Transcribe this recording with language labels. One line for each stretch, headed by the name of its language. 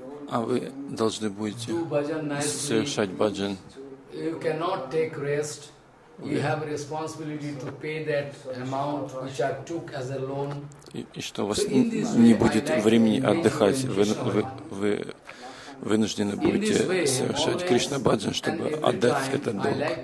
Russian: А вы должны будете совершать баджан.
English: You cannot take rest. You have a responsibility to pay that amount which I took as a loan.
Russian: И что у вас не будет времени отдыхать, вы вынуждены будете совершать Кришна Баджан, чтобы отдать этот долг.